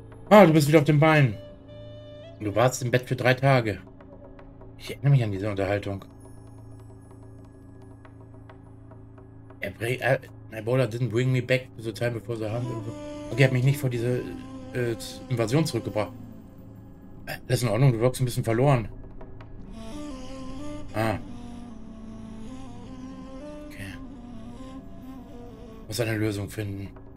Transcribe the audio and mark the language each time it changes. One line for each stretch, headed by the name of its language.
German: Ah, du bist wieder auf den Beinen. Du warst im Bett für 3 Tage. Ich erinnere mich an diese Unterhaltung.
English: My brother didn't bring me back to the time before the hunt.
German: Und so. Okay, er hat mich nicht vor diese Invasion zurückgebracht. Das ist in Ordnung, du wirkst ein bisschen verloren. Ah. Okay. Muss eine Lösung finden.